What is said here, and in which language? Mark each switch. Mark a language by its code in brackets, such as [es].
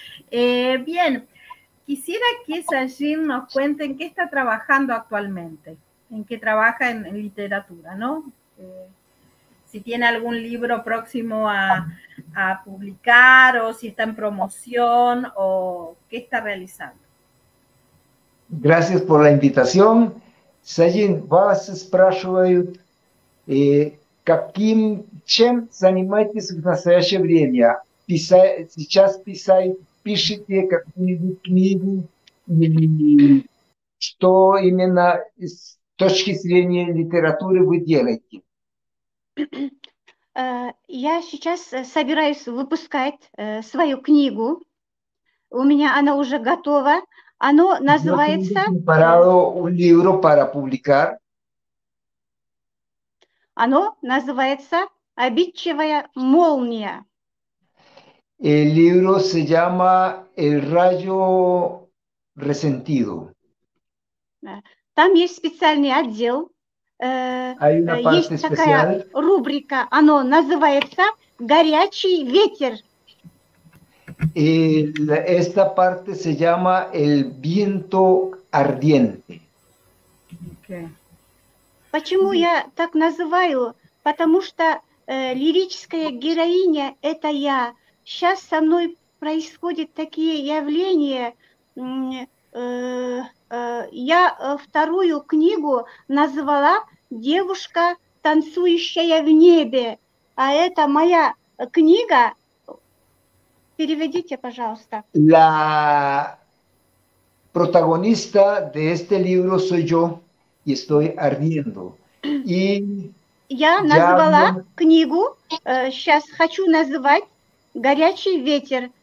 [es] Bien, quisiera que Sajin nos cuente en qué está trabajando actualmente, en qué trabaja en literatura, ¿no? Si tiene algún libro próximo a publicar, o si está en promoción, o qué está realizando. Gracias por la invitación. [ru] Sajin, [es] vas a [ru] спрашивают, каким, чем занимаетесь в настоящее время? Сейчас пишете какую-нибудь книгу, что именно с точки зрения литературы вы делаете? Я сейчас собираюсь выпускать свою книгу. У меня она уже готова. Оно называется... [es] Я preparado un libro para publicar. [ru] Оно называется «Обидчивая молния». [es] El libro se llama «El rayo resentido». [ru] Там есть специальный отдел. [es] Hay una parte [ru] есть [es] especial. [ru] Такая рубрика. Оно называется «Горячий ветер». [es] Esta parte se llama «El viento ardiente». [ru] Okay. Почему я так называю? Потому что лирическая героиня – это я. Сейчас со мной происходят такие явления. Я вторую книгу назвала «Девушка, танцующая в небе». А это моя книга. Переведите, пожалуйста. [es] La protagonista de este libro soy yo. Y estoy ardiendo. Y [ru] я назвала книгу, сейчас хочу назвать «Горячий ветер».